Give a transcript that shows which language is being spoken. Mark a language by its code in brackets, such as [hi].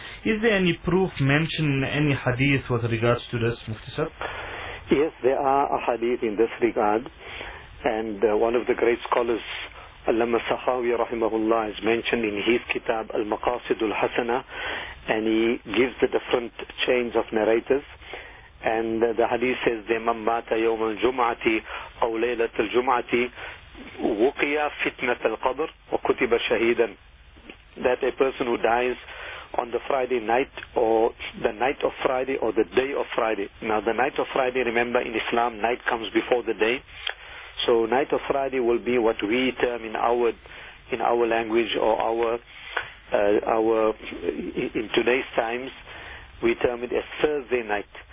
[en] Is there any proof mentioned in any hadith with regards to this, Mufti Sahib? Yes, there are a hadith in this regard, and one of the great scholars, Allama Sakhawi rahimahullah, is mentioned in his kitab Al-Maqasidul Hasana, and he gives the different chains of narrators. And the hadith says, [ar] مَنْ مَاتَ يَوْمَ الْجُمْعَةِ أَوْ لَيْلَةَ الْجُمْعَةِ وُقِيَ فِتْنَةَ الْقَبْرِ وَكُتِبَ شَهِيدًا, [en] that a person who dies on the Friday night or the night of Friday or the day of Friday. Now, the night of Friday, remember, in Islam, night comes before the day. So night of Friday will be what we term in our language or our in today's times, we term it as Thursday night.